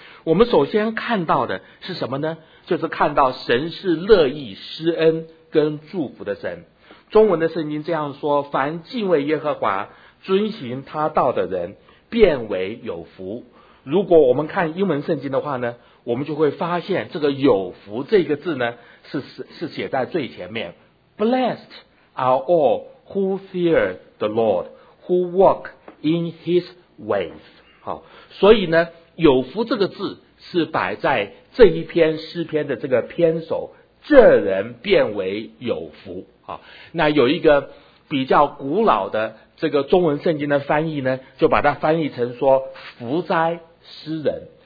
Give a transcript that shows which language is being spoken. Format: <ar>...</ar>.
<zh>我们首先看到的是什么呢？就是看到神是乐意施恩跟祝福的神。中文的圣经这样说，凡敬畏耶和华遵行他道的人变为有福。如果我们看英文圣经的话呢，我们就会发现这个有福这个字呢 是写在最前面。</zh> <en>Blessed are all who fear the Lord, who walk in his ways。</en> <zh>好，所以呢，有福这个字是摆在这一篇诗篇的这个篇首，这人变为有福。好，那有一个比较古老的这个中文圣经的翻译呢，就把它翻译成说福哉诗人。</zh>